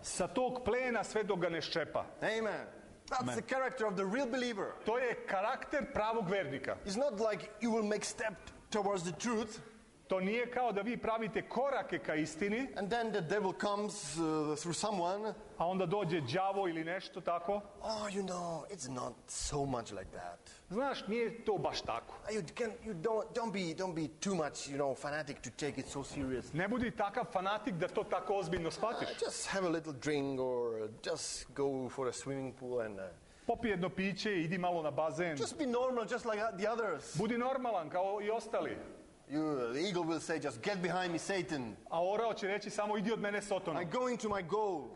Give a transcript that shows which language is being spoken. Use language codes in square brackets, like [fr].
[sr] sa tog plena sve dok ga ne ščepa. [en] Amen. That's Amen. The character of the real believer. [sr] To je karakter pravog vernika. [en] It's not like you will make step towards the truth. [sr] To nije kao da vi pravite korake ka istini. [en] And then the devil comes through someone. [sr] A onda dođe đavo ili nešto tako. [en] Oh, you know, it's not so much like that. [sr] Znaš, nije to baš tako. [en] You don't be too much, you know, fanatic to take it so serious. [sr] Ne budi takav fanatik da to tako ozbiljno shvatiš. [en] Just have a little drink or just go for a swimming pool and [sr] popi jedno piće, idi malo na bazen. [en] Just be normal just like the others. [sr] Budi normalan kao i ostali. [en] The eagle will say, just get behind me, Satan. [sr] A orao će reći, samo idi od mene, Sotona. [en] I'm going to my goal.